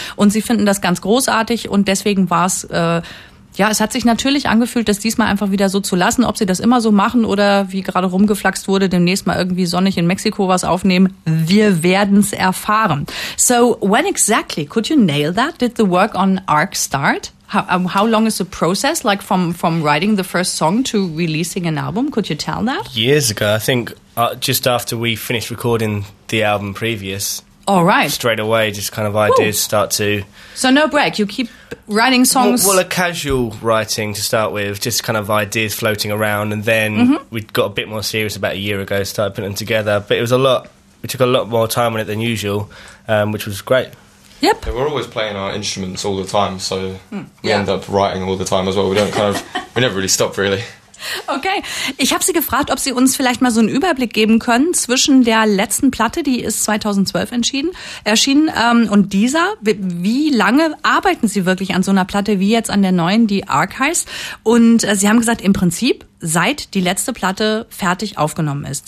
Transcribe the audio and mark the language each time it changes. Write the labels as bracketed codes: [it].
[de] Und sie finden das ganz großartig. Und deswegen war es... Ja, es hat sich natürlich angefühlt, das diesmal einfach wieder so zu lassen. Ob sie das immer so machen oder, wie gerade rumgeflaxt wurde, demnächst mal irgendwie sonnig in Mexiko was aufnehmen, wir werden's erfahren. [en] So, when exactly could you nail that? Did the work on ARC start? How long is the process, like from writing the first song to releasing an album? Could you tell that? Years ago, I think just after we finished recording the album previous... All right. Straight away, just kind of ideas Ooh. Start to... So no break, you keep writing songs... Well, a casual writing to start with, just kind of ideas floating around, and then mm-hmm. we got a bit more serious about a year ago, started putting them together. But it was a lot, we took a lot more time on it than usual, which was great. Yep. Yeah, we're always playing our instruments all the time, so we end up writing all the time as well. We don't kind of, we never really stop, really. [de] Okay, ich habe Sie gefragt, ob Sie uns vielleicht mal so einen Überblick geben können zwischen der letzten Platte, die ist 2012 erschienen, und dieser. Wie lange arbeiten Sie wirklich an so einer Platte wie jetzt an der neuen, die ARC heißt? Und Sie haben gesagt, im Prinzip seit die letzte Platte fertig aufgenommen ist.